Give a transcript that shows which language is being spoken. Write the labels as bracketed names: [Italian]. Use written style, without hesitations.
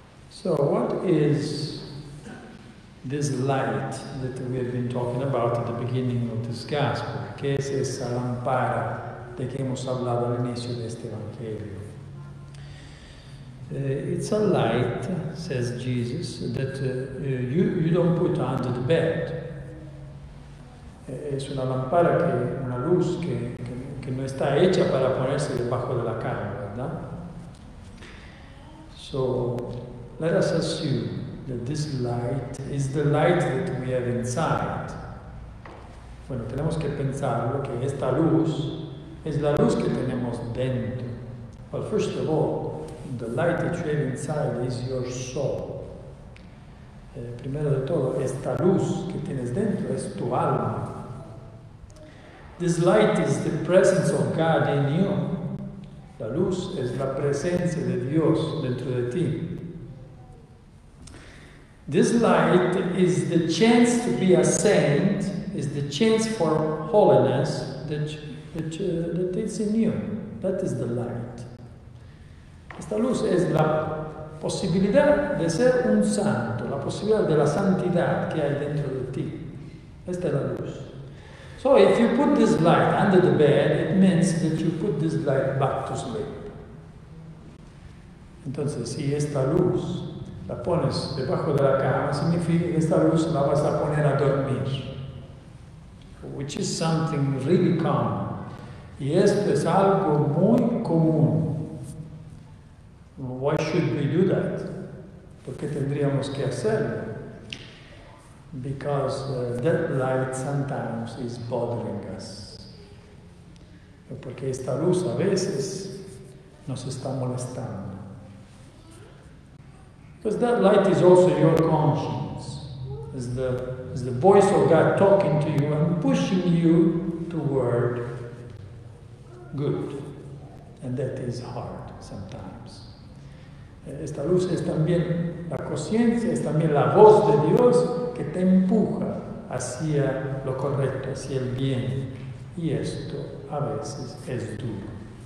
[English] So, what is this light that we have been talking about at the beginning of this gospel? [Spanish] ¿Qué es esa lámpara de que hemos hablado al inicio de este evangelio? [English] It's a light, says Jesus, that you don't put under the bed. [Spanish] Es una lámpara, una luz que no está hecha para ponerse debajo de la cama, ¿verdad? [English] So, let us assume that this light is the light that we have inside. [Spanish] Bueno, tenemos que pensar que esta luz es la luz que tenemos dentro. [English] Well, first of all, the light that you have inside is your soul. [Spanish] Primero de todo, esta luz que tienes dentro es tu alma. [English] This light is the presence of God in you. [Spanish] La luz es la presencia de Dios dentro de ti. [English] This light is the chance to be a saint, is the chance for holiness that is in you. That is the light. [Spanish] Esta luz es la posibilidad de ser un santo, la posibilidad de la santidad que hay dentro de ti. Esta es la luz. [English] So if you put this light under the bed, it means that you put this light back to sleep. [Spanish] Entonces, si esta luz la pones debajo de la cama, significa que esta luz la vas a poner a dormir. [English] Which is something really common. [Spanish] Y esto es algo muy común. [English] Why should we do that? [Spanish] ¿Por qué tendríamos que hacerlo? [English] Because that light sometimes is bothering us. [Spanish] Porque esta luz a veces nos está molestando. [English] Because that light is also your conscience. It's the voice of God talking to you and pushing you toward good. And that is hard sometimes. [Spanish] Esta luz es también la conciencia, es también la voz de Dios que te empuja hacia lo correcto, hacia el bien. Y esto a veces es duro.